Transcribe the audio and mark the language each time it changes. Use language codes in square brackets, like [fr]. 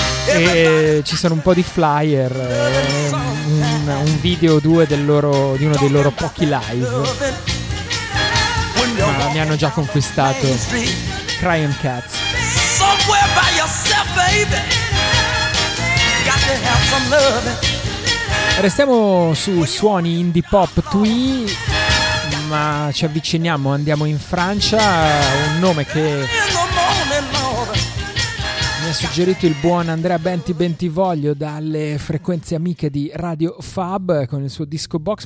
[it] E ci sono un po' di flyer, un video o due di uno dei loro pochi live, ma mi hanno già conquistato. [en] Crayon Cats. Somewhere by yourself, baby. Got to have some loving. [it] Restiamo su suoni indie pop twee, ma ci avviciniamo, andiamo in Francia. Un nome che mi ha suggerito il buon Andrea Benti Bentivoglio dalle frequenze amiche di Radio Fab con il suo Disco Box.